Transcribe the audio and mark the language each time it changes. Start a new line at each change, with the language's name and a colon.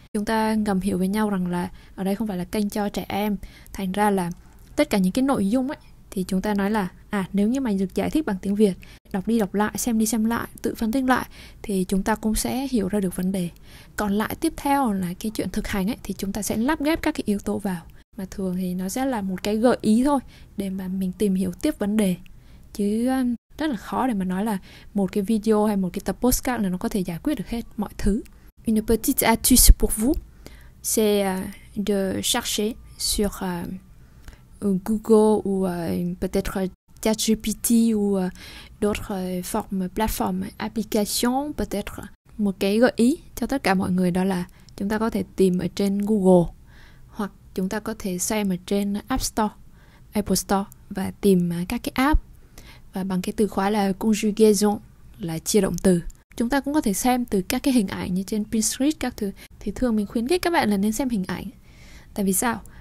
Vietnamese: Chúng ta ngầm hiểu với nhau rằng là ở đây không phải là kênh cho trẻ em, thành ra là tất cả những cái nội dung ấy, thì chúng ta nói là nếu như mà được giải thích bằng tiếng Việt, đọc đi đọc lại, xem đi xem lại, tự phân tích lại, thì chúng ta cũng sẽ hiểu ra được vấn đề. Còn lại tiếp theo là cái chuyện thực hành ấy, thì chúng ta sẽ lắp ghép các cái yếu tố vào. Mà thường thì nó sẽ là một cái gợi ý thôi, để mà mình tìm hiểu tiếp vấn đề. Chứ rất là khó để mà nói là một cái video hay một cái tập podcast là nó có thể giải quyết được hết mọi thứ.
French: Une petite astuce pour vous, c'est de chercher sur Google ou peut-être ChatGPT ou d'autres formes, plateformes, applications, peut-être.
Vietnamese: Một cái gợi ý cho tất cả mọi người đó là chúng ta có thể tìm ở trên Google hoặc chúng ta có thể xem ở trên App Store, Apple Store và tìm các cái app và bằng cái từ khóa là conjugaison, là chia động từ. Chúng ta cũng có thể xem từ các cái hình ảnh như trên Pinterest các thứ. Thì thường mình khuyến khích các bạn là nên xem hình ảnh. Tại vì sao?